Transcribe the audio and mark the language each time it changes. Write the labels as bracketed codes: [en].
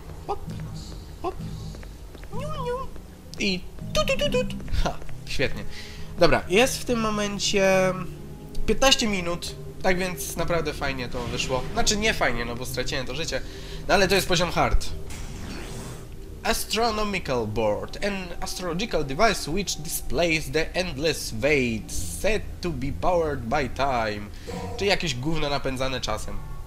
[pl] Hop, hop, niu, niu. I tu. Ha, świetnie. Dobra, jest w tym momencie 15 minut, tak więc naprawdę fajnie to wyszło. Znaczy nie fajnie, no bo straciłem to życie, no ale to jest poziom hard. [en] Astronomical board, an astrological device which displays the endless weight, said to be powered by time. [pl] Czyli jakieś gówno napędzane czasem.